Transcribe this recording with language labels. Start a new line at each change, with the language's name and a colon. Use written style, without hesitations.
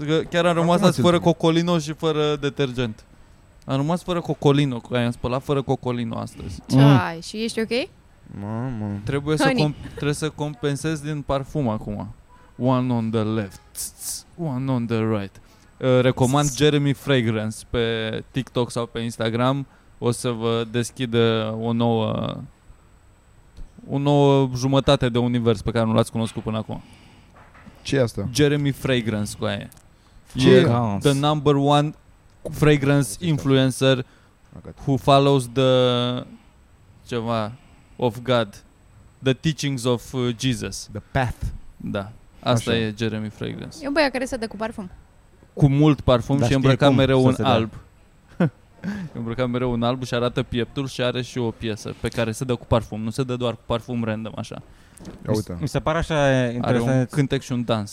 Romanian: Chiar am rămas azi fără Cocolino și fără detergent. Am rămas fără Cocolino, că am spălat fără Cocolino astăzi. Ce ai? Și ești ok? Mamă. Trebuie să compensez din parfum acum.
English: One on the left, one on the right.
Romanian: Recomand Jeremy Fragrance pe TikTok sau pe Instagram. O să vă deschidă o nouă jumătate de univers pe care nu l-ați cunoscut până acum. Ce e asta? Jeremy Fragrance, cu aia. Ce e?
English: The number one fragrance influencer who follows the ceva of God, the teachings of Jesus, the path.
Romanian: Da. Asta așa. E Jeremy Fragrance. E un băiat care se dă cu parfum. Cu mult parfum, dar și îmbrăcat mereu un alb. Îmbrăcat mereu un alb și arată pieptul și are și o piesă pe care se dă cu parfum. Nu se dă doar cu parfum random, așa. Uite. Mi se pare așa interesant. Are un cântec și un dans.